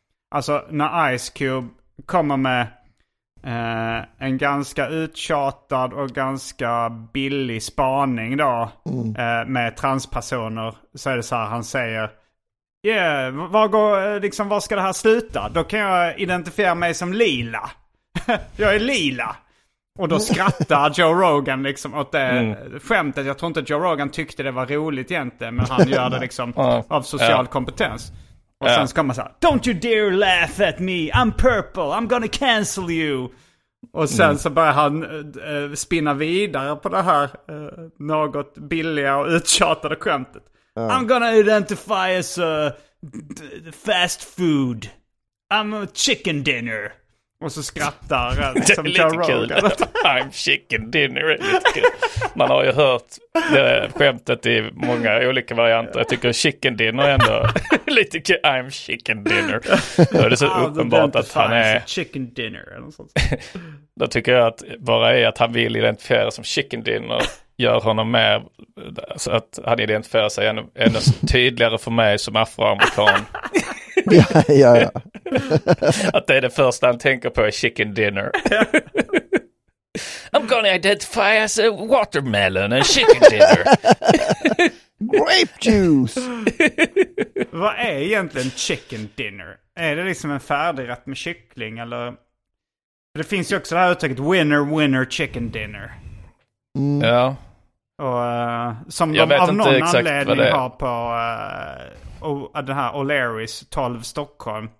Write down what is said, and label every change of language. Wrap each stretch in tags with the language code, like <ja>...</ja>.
<sv>Alltså när Ice Cube kommer med en ganska uttjatad och ganska billig spaning då, med transpersoner, så är det så här, han säger,</sv> <en>yeah,</en> <sv>var ska det här sluta? Då kan jag identifiera mig som lila. Jag är lila. Och då skrattar Joe Rogan liksom åt det skämtet. Jag tror inte Joe Rogan tyckte det var roligt egentligen, men han gör det liksom av social kompetens. Och sen så kommer man så här,</sv> <en>don't you dare laugh at me, I'm purple, I'm gonna cancel you.</en> <sv>Och sen så börjar han spinna vidare på det här något billiga och uttjatade skämtet.</sv> <en>I'm gonna identify as a fast food, I'm a chicken dinner.</en> <sv>Och så skrattar han som Joe Rogan.</sv> <en>I'm chicken dinner.</en> <sv>Man har ju hört det skämtet i många olika varianter. Jag tycker chicken dinner ändå lite kul.</sv> <en>I'm chicken dinner.</en> <sv>Då är det så uppenbart att han är chicken dinner eller sånt. Då tycker jag att bara är att han vill identifiera som chicken dinner gör honom mer, så att han identifierar sig ännu tydligare för mig som afroamerikan. Ja. Att det är det första han tänker på är chicken dinner.</sv> <en>I'm gonna identify as a watermelon and chicken dinner. Grape juice.</en> <sv>Vad är egentligen chicken dinner? Är det liksom en färdigrätt med kyckling, eller? Det finns ju också det här uttrycket winner winner chicken dinner. Ja. Och som jag vet av inte någon exakt anledning har på den här O'Leary's 12 Stockholm.</sv>